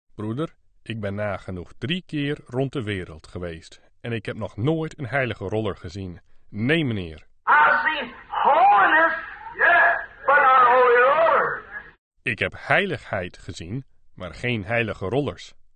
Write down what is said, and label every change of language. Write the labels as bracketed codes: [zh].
[nl] Broeder, ik ben nagenoeg 3 keer rond de wereld geweest en ik heb nog nooit een heilige roller gezien. Nee, meneer. [en] I've seen holiness, yes, but not holy rollers. [nl] Ik heb heiligheid gezien, maar geen heilige rollers.